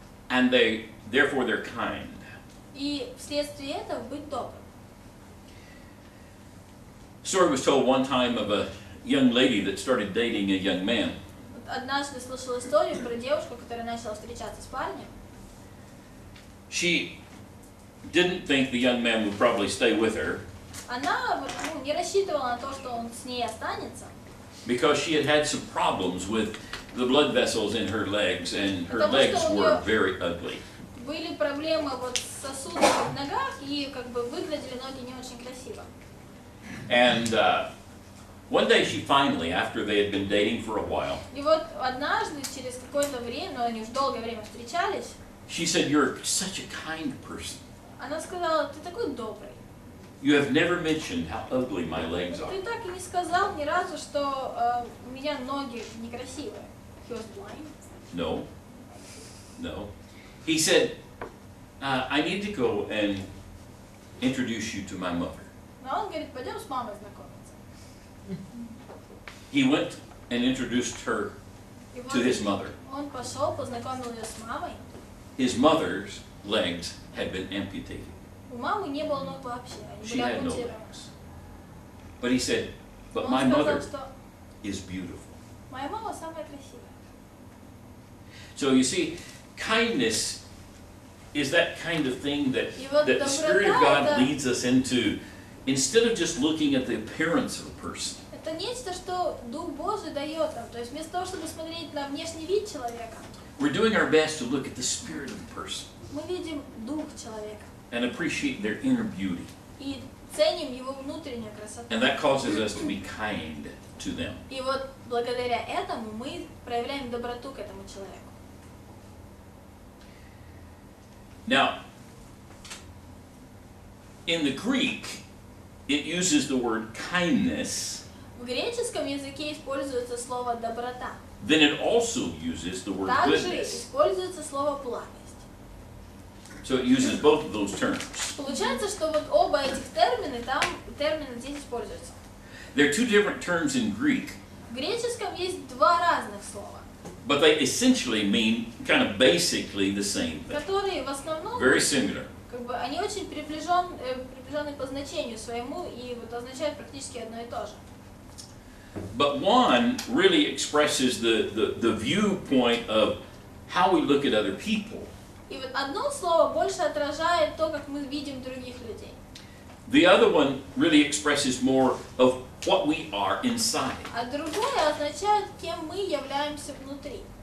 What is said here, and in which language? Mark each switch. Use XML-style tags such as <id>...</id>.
<en>And they, therefore, they're kind.</en> <ru>И вследствие этого быть добрым.</ru> <en>Story was told one time of a young lady that started dating a young man.</en> <ru>Однажды слышала историю про девушку, которая начала встречаться с парнем.</ru> <en>She didn't think the young man would probably stay with her.</en> <ru>Она не рассчитывала на то, что он с ней останется.</ru> <en>Because she had had some problems with the blood vessels in her legs, and her</en> <ru>Потому</ru> <en>legs were very ugly.</en> <ru>Были проблемы вот с сосудами в ногах, и как бы выглядели ноги не очень красиво.</ru> <en>And one day she finally, after they had been dating for a while,</en> <ru>и вот однажды, через какое-то время, но они уж долгое время встречались,</ru> <en>she said, you're such a kind person.</en> <ru>Она сказала, ты такой добрый.</ru> <en>You have never mentioned how ugly my legs are.</en> <ru>Ты так и не сказал ни разу, что у меня ноги некрасивые.</ru> <en>He was blind. No. No. He said, I need to go and introduce you to my mother.</en> <ru>Но он говорит, пойдем с мамой знакомиться.</ru> <en>He went and introduced her to his mother.</en> <ru>Он пошел, познакомил ее с мамой.</ru> <en>His mother's legs had been amputated.</en> <ru>У мамы не было ног вообще.</ru> <en>She had no legs. But he said, but my mother is beautiful.</en> <ru>Моя мама самая красивая.</ru> <en>So you see, kindness is that kind of thing that,</en> <ru>вот</ru> <en>that the Spirit of God leads us into, instead of just looking at the appearance of a person.</en> <ru>Это нечто, что Дух Божий дает нам. То есть вместо того, чтобы смотреть на внешний вид человека.</ru> <en>We're doing our best to look at the spirit of the person.</en> <ru>Мы видим дух человека.</ru> <en>And appreciate their inner beauty.</en> <ru>И ценим его внутреннюю красоту.</ru> <en>And that causes us to be kind to them.</en> <ru>И вот благодаря этому мы проявляем доброту к этому человеку.</ru> <en>Now, in the Greek, it uses the word kindness.</en> <ru>В греческом языке используется слово доброта.</ru> <en>Then it also uses the word</en> <ru>Также</ru> <en>goodness.</en> <ru>Также используется слово благо.</ru> <en>So it uses both of those terms.</en> <ru>Получается, что вот оба этих термина, там термины здесь используются.</ru> <en>There are two different terms in Greek.</en> <ru>В греческом есть два разных слова.</ru> <en>But they essentially mean kind of basically the same thing.</en> <ru>Которые в основном</ru> <en>very similar.</en> <ru>Как бы они очень приближены по значению своему и вот означают практически одно и то же.</ru> <en>But one really expresses the viewpoint of how we look at other people.</en> <ru>И вот одно слово больше отражает то, как мы видим других людей.</ru> <en>The other one really expresses more of what we are inside.</en> <ru>А другое означает, кем мы являемся внутри.</ru>